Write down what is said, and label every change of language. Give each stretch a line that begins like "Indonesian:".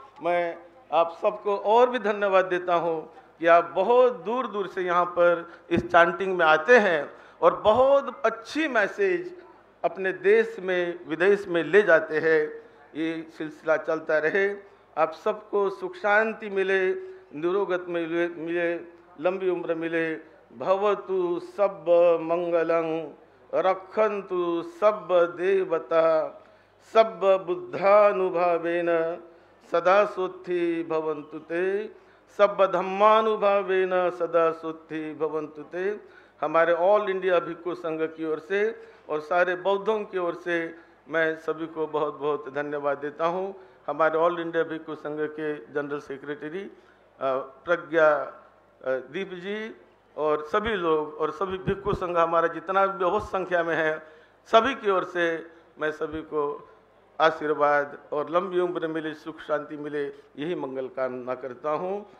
Hindi: मैं आप सबको और भी धन्यवाद देता हूँ कि आप बहुत दूर दूर से यहाँ पर इस चांटिंग में आते हैं और बहुत अच्छी मैसेज अपने देश में विदेश में ले जाते हैं। ये सिलसिला चलता रहे, आप सबको सुख शांति मिले, निरोगत मिले, लंबी उम्र मिले।
Pali: ভবতু সব মঙ্গলং, রক্ষন্তু সব দেবতা, সব বুদ্ধানুভাবেন সদা সুখী ভবন্তু তে, सब धम्मानुभावेन सदा शुद्धि भवन्तु ते।
Hindi: हमारे ऑल इंडिया भिक्खु संघ की ओर से और सारे बौद्धों की ओर से मैं सभी को बहुत बहुत धन्यवाद देता हूँ। हमारे ऑल इंडिया भिक्खु संघ के जनरल सेक्रेटरी प्रज्ञा दीप जी और सभी लोग और सभी भिक्खु संघ हमारा जितना भी बहुत संख्या में है सभी की ओर से मैं सभी को आशीर्वाद और लंबी उम्र मिले, सुख शांति मिले, यही मंगल कामना करता हूँ।